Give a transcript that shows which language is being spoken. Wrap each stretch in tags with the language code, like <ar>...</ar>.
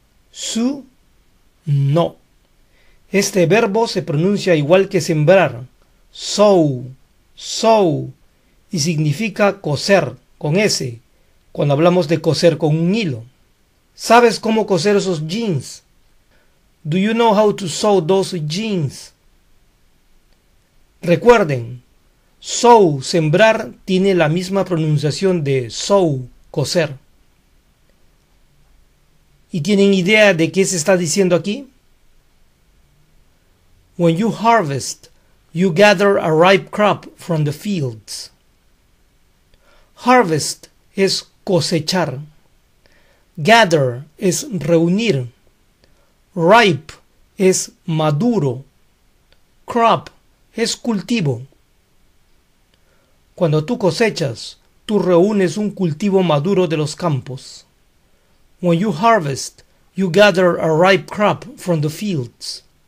<es>Su, no. Este verbo se pronuncia igual que sembrar. Sow, sow. Y significa coser, con S, cuando hablamos de coser con un hilo. ¿Sabes cómo coser esos jeans?</es> <en>Do you know how to sew those jeans?</en> <es>Recuerden, sow, sembrar, tiene la misma pronunciación de sow, coser. ¿Y tienen idea de qué se está diciendo aquí?</es> <en>When you harvest, you gather a ripe crop from the fields.</en> <es>Harvest es cosechar. Gather es reunir. Ripe es maduro. Crop es cultivo. Cuando tú cosechas, tú reúnes un cultivo maduro de los campos.</es> <en>When you harvest, you gather a ripe crop from the fields.</en>